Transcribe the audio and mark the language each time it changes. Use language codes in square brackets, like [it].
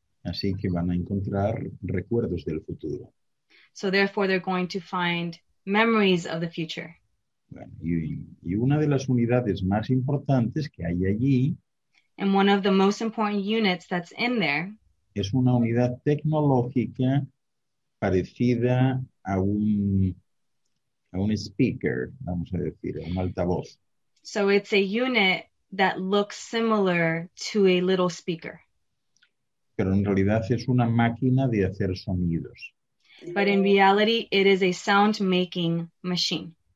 [es] Así que van a encontrar recuerdos del futuro. [en] So therefore, they're going to find memories of the future. [es] Bueno, y una de las unidades más importantes que hay allí, [en] and one of the most important units that's in there, [es] es una unidad tecnológica parecida a un speaker, vamos a decir, a un altavoz. [en] So it's a unit that looks similar to a little speaker. [es] Pero en realidad es una máquina de hacer sonidos. [en] But in reality, it is a sound making machine.